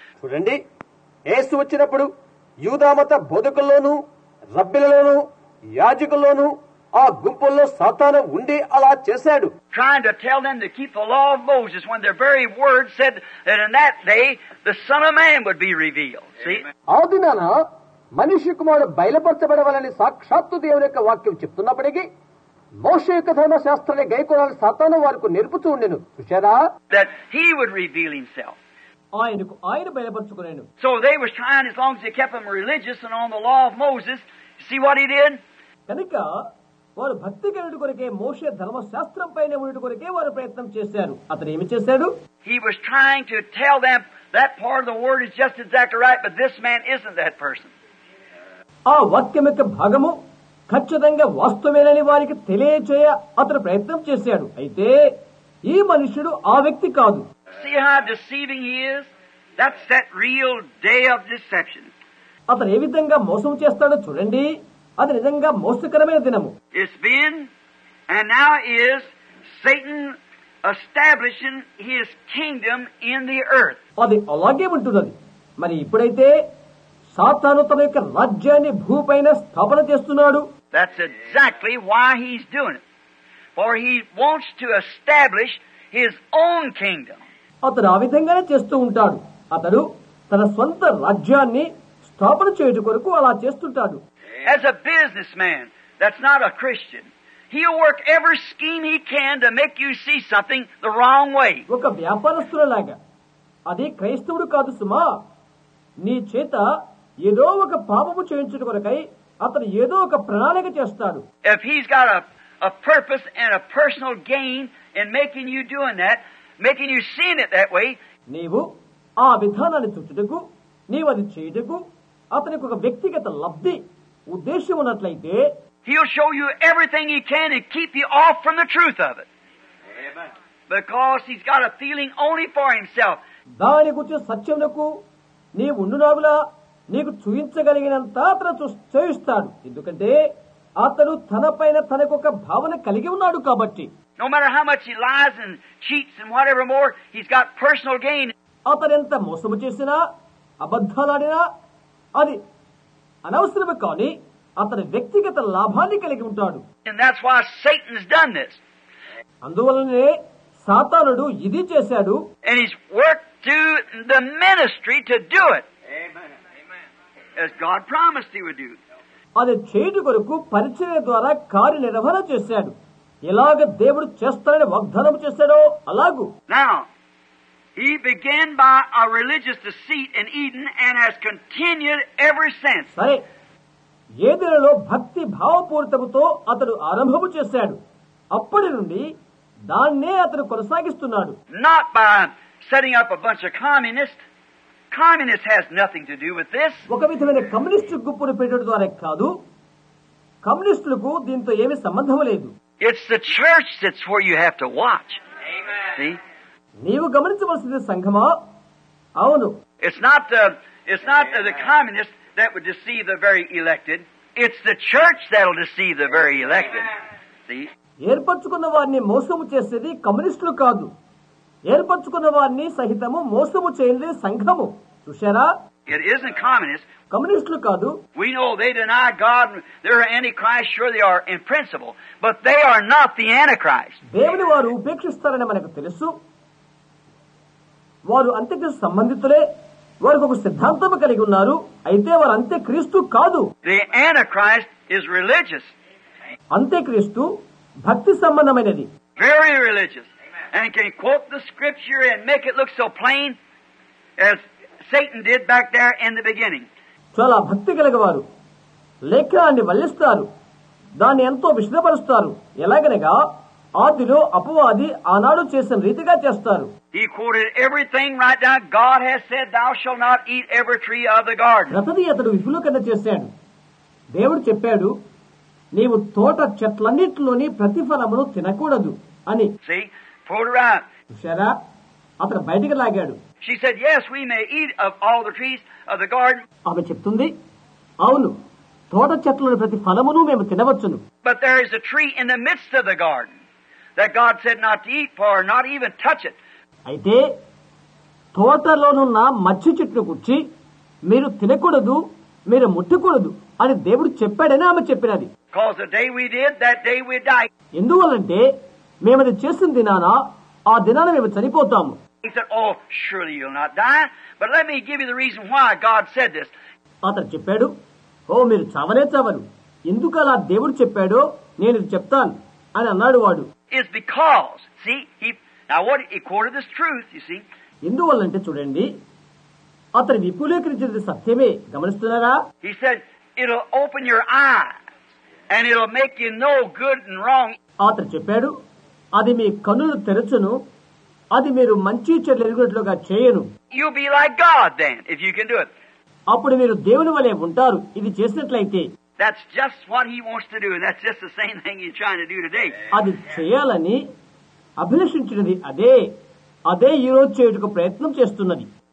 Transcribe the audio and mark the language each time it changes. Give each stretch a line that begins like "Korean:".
Telugu: Chudandi Yesu vachinappudu yudamata bodhakullonu rabbilalonu yajikullonu ఆ గుంపుల్లో సాతాను ఉండి అలా చేశాడు.
English: Trying to tell them to keep the law of Moses when their very word said that in that day the son of man would be revealed. See?
Telugu: ఆ దినాన మనిషి కుమారుడు బయలుపరచబడవలని సాక్షాత్తు దేవుని యొక్క వాక్యం చెప్తున్నప్పటికీ మోషే యొక్క ధర్మశాస్త్రాన్ని గైకొనాలని సాతాను వారికి నేర్పుతూ ఉండెను. చూశారా?
English: That he would reveal himself.
Telugu: ఆయనకు ఆయన బయలుపరచుకునేను.
English: So they were trying as long as they kept him religious and on the law of Moses. See what he did?
Telugu: కనుక వారు భక్తి కలిగిన కొరకే మోషే ధర్మశాస్త్రం పైన ఉండి కొరకే వారు ప్రయత్నం చేశారు. అతను ఏమి చేశాడు?
English: He was trying to tell them that part of the word is just exactly right, but this man isn't that person.
Telugu: ఆ వాక్యమొక్క భాగము ఖచ్చితంగా వాస్తవమేనని వారికి తెలియజేయ అతను ప్రయత్నం చేశాడు. అయితే ఈ మనుషుడు ఆ వ్యక్తి కాదు.
English: See how deceiving he is? That's that real day of deception.
Telugu: అతను ఏ విధంగా మోసం చేస్తాడో చూడండి, అది నిజంగా మోసకరమైన దినము.
English: It's been and now is Satan establishing his kingdom in the earth.
Telugu: అది అలాగే ఉంటుంది. మరి ఇప్పుడైతే సాతాను తన యొక్క రాజ్యాన్ని భూపైన స్థాపన చేస్తున్నాడు.
English: That's exactly why he's doing it. For he wants to establish his own kingdom.
Telugu: అతను ఆ విధంగానే చేస్తూ ఉంటాడు. అతడు తన సొంత రాజ్యాన్ని స్థాపన చేయటం కొరకు అలా చేస్తుంటాడు.
English: As a businessman that's not a Christian, he'll work every scheme he can to make you see something the wrong way.
Telugu: ఒక వ్యాపారస్తులలాగా, అది క్రైస్తవుడు కాదు సుమా, నీ చేత ఏదో ఒక పాపము చేయించడం కొరకై అతను ఏదో ఒక ప్రణాళిక చేస్తాడు.
English: If he's got a purpose and a personal gain in making you doing that, making you seeing it that way,
Telugu: నీవు ఆ విధానాన్ని చూచుటకు, నీవు అది చేయుటకు అతనికి ఒక వ్యక్తిగత లబ్ధి ఉద్దేశం ఉన్నట్లయితే,
English: he'll show you everything he can and keep you off from the truth of it. Amen. Because he's got a feeling only for himself.
Telugu: దాని గురించి సత్యమునకు నీవు ఉండునాగులా, నీకు చూయించగలిగినంత అతను చూయిస్తాడు. ఎందుకంటే అతడు తనపైన తనకు ఒక భావన కలిగి ఉన్నాడు కాబట్టి.
English: No matter how much he lies and cheats and whatever more, he's got personal gain.
Telugu: అతను ఎంత మోసము చేసినా, అబద్ధాలాడినా, అది అనవసరమే కాని అతని వ్యక్తిగత లాభాన్ని కలిగి ఉంటాడు.
English: And that's why Satan's done this.
Telugu: అందువల్లనే సాతానుడు ఇది చేశాడు.
English: And he's worked through the ministry to do it. Amen. As God promised he would do.
Telugu: అది చేయడం కొరకు పరిచర్య ద్వారా కార్య నిర్వహణ చేశాడు. ఎలాగ దేవుడు చేస్తాడని వాగ్దానం చేశాడో అలాగూ.
English: Now, he began by a religious deceit in Eden and has continued ever since.
Telugu: సరే, ఏదేనలో భక్తి భావపూరితముతో అతడు ఆరంభము చేశాడు. అప్పటి నుండి దాన్నే అతడు కొనసాగిస్తున్నాడు.
English: Not by setting up a bunch of communists. Communist has nothing to do with this.
Telugu: ఒక విధమైన కమ్యూనిస్ట్ గుంపును పెట్టడం ద్వారా కాదు, కమ్యూనిస్టులకు దీంతో ఏమి సంబంధం లేదు.
English: It's the church that's where you have to watch. Amen. See?
Telugu: నీవు గమనించవలసింది సంఘమా? అవును.
English: It's not the communist that would deceive the very elected. It's the church that'll deceive the very elected. See?
Telugu: ఏర్పరచుకున్న వారిని మోసము చేసేది కమ్యూనిస్టులు కాదు, ఏర్పరచుకున్న వారిని సహితము మోసము చేయలేదు సంఘము. చూశారా?
English: It isn't communist.
Telugu: కమ్యూనిస్టులు కాదు.
English: We know they deny God, they are antichrist, sure they are in principle, but they are not the antichrist.
Telugu: దేవుని వారు ఉపేక్షిస్తారని మనకు తెలుసు, వారు అంత్యక్రీస్తు సంబంధితులే, వారికి ఒక సిద్ధాంతం కలిగి ఉన్నారు, అయితే వారు అంత్యక్రీస్తు కాదు.
English: The antichrist is religious.
Telugu: అంత్యక్రీస్తు భక్తి సంబంధమైనది.
English: Very religious. And can quote the scripture and make it look so plain as Satan did back there in the beginning.
Telugu: చాలా భక్తి కలిగివారు లేఖనాన్ని వల్లిస్తారు, దాన్ని ఎంతో విశదపరుస్తారు. ఎలాగనగా ఆదిలో అపవాది ఆనాడు చేసిన రీతిగా చేస్తారు.
English: He quoted everything right down. God has said thou shall not eat every tree of the garden.
Telugu: అతడు అతడు విఫలకన చేశాడు. దేవుడు చెప్పాడు, నీవు తోట చెట్లన్నింటిలోని ప్రతిఫలమును తినకూడదు అని.
English: See? Pulled her out.
Telugu: Shara, అతడు బయటికి లాగాడు.
English: She said, yes, we may eat of all the trees of the garden.
Telugu: అవి చెప్తుంది, అవును, తోట చెట్లలోని ప్రతి ఫలమును మేము తినవచ్చును.
English: But there is a tree in the midst of the garden that God said not to eat for, not even touch it.
Telugu: అయితే తోటలోనున్న మత్స్య చెట్టును గుర్చి మీరు తినకూడదు, మీరు ముట్టకూడదు అని దేవుడు చెప్పాడని ఆమె చెప్పినది.
English: Because the day we did, that day we die.
Telugu: ఎందువల్లంటే మేము అది చేసిన దినాన ఆ దినాన మేము చనిపోతాము.
English: He said, oh, surely you'll not die. But let me give you the reason why God said this.
Telugu: అతడు చెప్పాడు, ఓ మీరు చావనే చావరు, ఎందుకు అలా దేవుడు చెప్పాడో నేను చెప్తాను అని అన్నాడు వాడు.
English: It's because, see, he quoted this truth, you see.
Telugu: ఎందువల్లంటే చూడండి, అతడు విపులీకరించినది సత్యమే. గమనిస్తున్నారా?
English: He said, it'll open your eyes and it'll make you know good and wrong.
Telugu: అతడు చెప్పాడు, అది మీ కన్నులు తెరచును, అది మీరు మంచి చెడు ఎరుగునట్లుగా చేయను.
English: You be like God then, if you can do it.
Telugu: అప్పుడు మీరు దేవుని వలె ఉంటారు ఇది చేసినట్లయితే.
English: That's just what he wants to do, and that's just the same thing he's trying to do today.
Telugu: అది చేయాలని అభిలషించినది అదే అదే ఈ రోజు చేయుటకు ప్రయత్నం చేస్తున్నది.